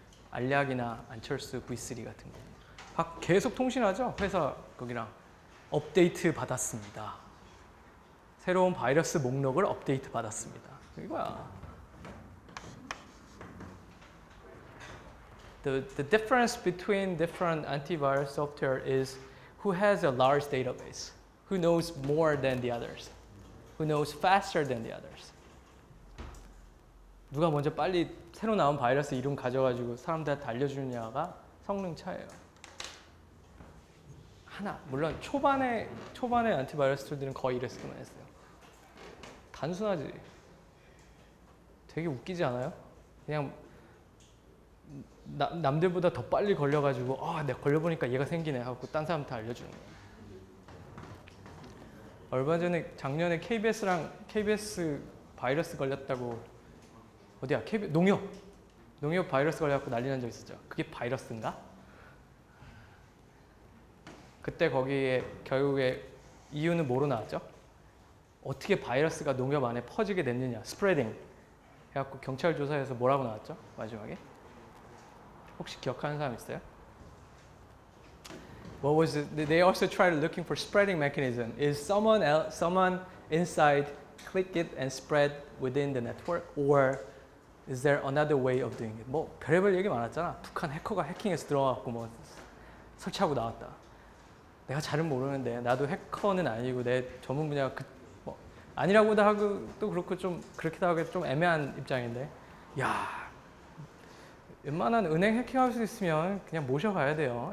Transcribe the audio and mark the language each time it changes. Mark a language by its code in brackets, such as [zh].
[ko] 알약이나 안철수 V3 같은 거. 계속 통신하죠? 회사 거기랑 업데이트 받았습니다. 새로운 바이러스 목록을 업데이트 받았습니다. 이거야. [en] The difference between different antivirus software is who has a large database, who knows more than the others, who knows faster than the others. [ko] 누가 먼저 빨리 새로 나온 바이러스 이름 가져가지고 사람들한테 알려주느냐가 성능 차이예요. 하나, 물론 초반에 안티바이러스 툴들은 거의 이랬을만 했어요. 단순하지. 되게 웃기지 않아요? 그냥 남들보다 더 빨리 걸려가지고 내가 걸려보니까 얘가 생기네 하고 딴 사람한테 알려주는 거예요. 얼마 전에 작년에 KBS랑 KBS 바이러스 걸렸다고 어디야? 농협 바이러스 걸려갖고 난리 난 적 있었죠. 그게 바이러스인가? 그때 거기에 결국에 이유는 뭐로 나왔죠? 어떻게 바이러스가 농협 안에 퍼지게 됐느냐? 스프레딩 해갖고 경찰 조사에서 뭐라고 나왔죠? 마지막에 혹시 기억하는 사람 있어요? [en] What was it? They also tried looking for spreading mechanism. Is someone inside click it and spread within the network or Is there another way of doing it? [ko] 뭐 별의별 얘기 많았잖아. 북한 해커가 해킹해서 들어와갖고 뭐 설치하고 나왔다. 내가 잘은 모르는데 나도 해커는 아니고 내 전문 분야가 뭐 아니라고도 하고 또 그렇고 좀 그렇게도 하고 좀 애매한 입장인데 야 웬만한 은행 해킹할 수 있으면 그냥 모셔가야 돼요.